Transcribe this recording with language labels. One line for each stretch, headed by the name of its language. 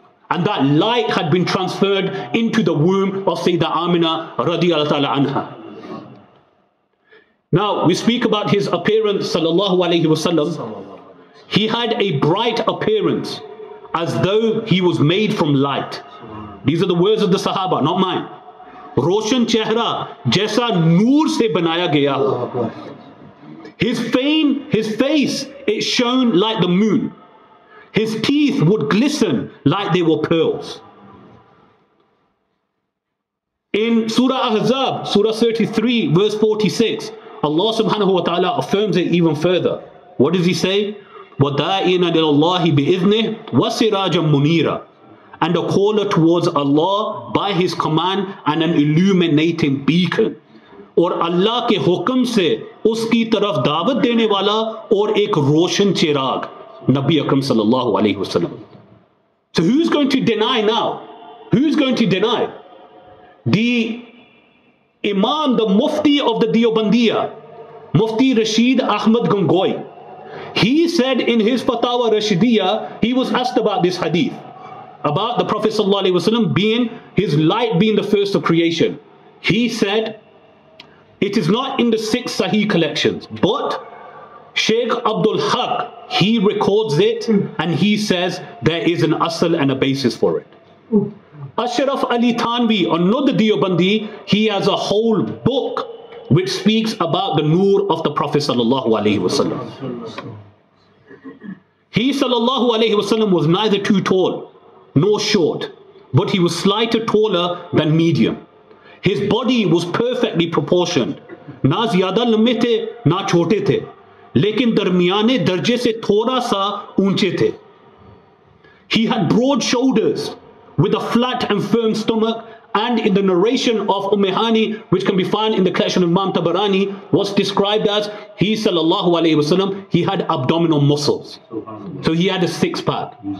English: And that light had been transferred into the womb of Sayyidina Amina radiallahu ta'ala anha. Now, we speak about his appearance, sallallahu alayhi wa sallam. He had a bright appearance as though he was made from light. These are the words of the Sahaba, not mine.
Urdu: روشن چہرہ، جیسا نور سے بنایا گیا۔
English: His face, it shone like the moon. His teeth would glisten like they were pearls. In Surah Ahzab, Surah 33, verse 46, Allah subhanahu wa ta'ala affirms it even further. What does he say?
Arabic: وَدَائِنَ لِلَّهِ بِإِذْنِهِ وَسِرَاجًا مُنِيرًا.
English: And a caller towards Allah by His command and an illuminating beacon.
Urdu: اور اللہ کے حکم سے اسکی طرف دعوت دینے والا اور ایک روشن چراغ۔ نبی اکرم صلی اللہ علیہ وسلم۔
English: So who's going to deny now? Who's going to deny? The Imam, the Mufti of the Diobandiya, Mufti Rashid Ahmad Gangoi, he said in his Fatawa Rashidiyya, he was asked about this hadith, about the Prophet sallallahu alayhi wasallam being, his light being the first of creation. He said, it is not in the 6 Sahih collections, but Shaykh Abdul Haq, he records it and he says there is an asal and a basis for it. Ashraf Ali Thanvi, another Diobandi, he has a whole book which speaks about the noor of the Prophet sallallahu alayhi wasallam. He sallallahu alayhi wasallam was neither too tall nor short, but he was slighter taller than medium. His body was perfectly proportioned.
Urdu: نہ زیادہ لمبے تھے، نہ چھوٹے تھے۔ لیکن درمیانے درجے سے تھوڑا سا اونچے تھے۔
English: He had broad shoulders with a flat and firm stomach, and in the narration of Umehani, which can be found in the collection of Imam Tabarani, was described as, he sallallahu alayhi wa sallam, he had abdominal muscles. So he had a six pack.